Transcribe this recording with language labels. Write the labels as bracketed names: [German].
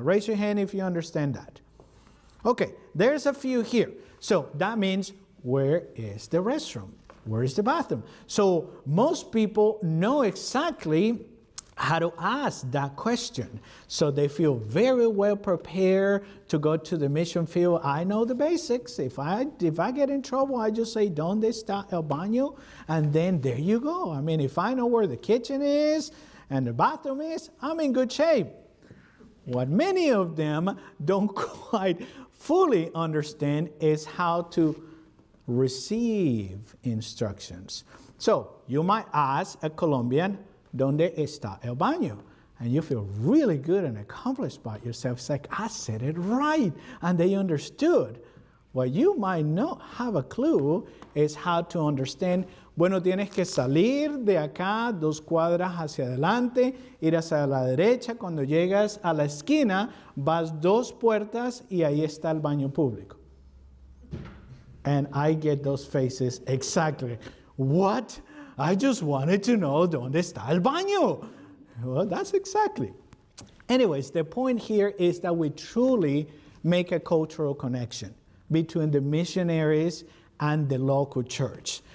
[English] Raise your hand if you understand that. Okay, there's a few here. So that means, where is the restroom? Where is the bathroom? So most people know exactly how to ask that question. So they feel very well prepared to go to the mission field. I know the basics. If I get in trouble, I just say, [Spanish] ¿dónde está el baño? [English] And then there you go. I mean, if I know where the kitchen is and the bathroom is, I'm in good shape. What many of them don't quite fully understand is how to receive instructions. So you might ask a Colombian, [Spanish] ¿dónde está el baño? [English] And you feel really good and accomplished about yourself. It's like, I said it right, and they understood. [Spanish] What you might not have a clue is how to understand, bueno, tienes que salir de acá dos cuadras hacia adelante, ir hacia la derecha, cuando llegas a la esquina, vas dos puertas y ahí está el baño público. [English] And I get those faces exactly. What? I just wanted to know [Spanish] dónde está el baño. [English] Well, that's exactly. Anyways, the point here is that we truly make a cultural connection between the missionaries and the local church.